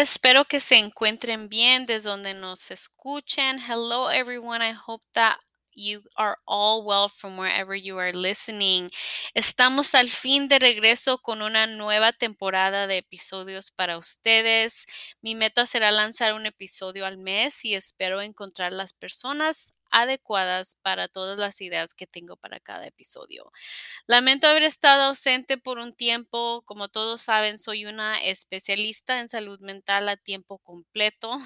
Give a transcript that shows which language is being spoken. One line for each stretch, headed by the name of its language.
Spanish: Espero que se encuentren bien desde donde nos escuchen.
English: Hello, everyone. I hope that you are all well from wherever you are listening.
Spanish: Estamos al fin de regreso con una nueva temporada de episodios para ustedes. Mi meta será lanzar un episodio al mes y espero encontrar las personas adecuadas para todas las ideas que tengo para cada episodio. Lamento haber estado ausente por un tiempo. Como todos saben, soy una especialista en salud mental a tiempo completo.